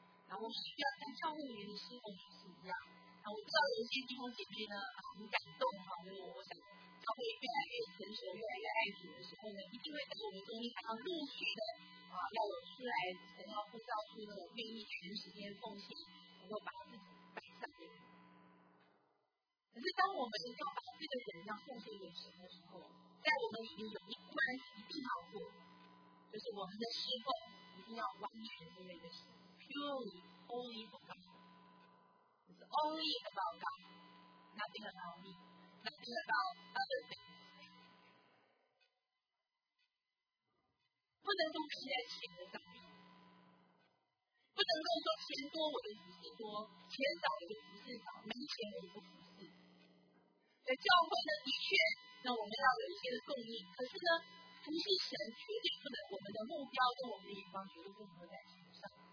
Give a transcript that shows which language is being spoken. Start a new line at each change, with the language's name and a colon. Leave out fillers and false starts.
Chinese: 然后我们需要跟教会里面的侍奉就是一样。我不知道有些弟兄姐妹呢很感动，因为我想教会越来越成熟，越来越爱主的时候呢，一定会在我们中间看到陆续的要有出来想要呼召出的愿意全时间奉献，能够把自己摆上给你。可是当我们要把这个人要奉献给神的时候，在我们里面有一关一定要过，就是我们的侍奉一定要完全归给神 ，
English: purely only for God。 Only about God, nothing about me, nothing about other things.
Chinese: 不能够期待钱的上面，不能够说钱多我就服侍多，钱少我就服侍少，没钱我不服侍。在教会呢，的确，那我们要有一些的动力，可是呢，服侍神绝对不能，我们的目标跟我们的眼光绝对不能够在钱上。